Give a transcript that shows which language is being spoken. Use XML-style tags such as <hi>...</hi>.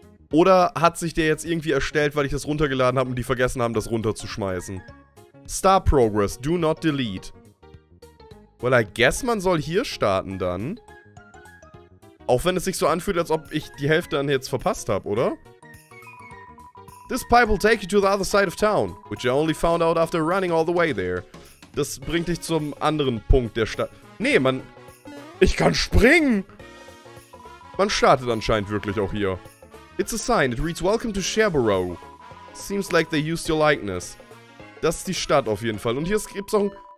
<de>Oder hat sich der jetzt irgendwie erstellt, weil ich das runtergeladen habe und die vergessen haben, das runterzuschmeißen?</de> <en>Star Progress, do not delete. Well, I guess</en> <de>man soll hier starten dann. Auch wenn es sich so anfühlt, als ob ich die Hälfte dann jetzt verpasst habe, oder?</de> <en>This pipe will take you to the other side of town, which I only found out after running all the way there.</en> <de>Das bringt dich zum anderen Punkt der Stadt. Nee, man... Ich kann springen! Man startet anscheinend wirklich auch hier.</de> <en>It's a sign. It reads, welcome to Sherborough. Seems like they used your likeness.</en> <de>Das ist die Stadt auf jeden Fall. Und hier gibt es auch ein...</de>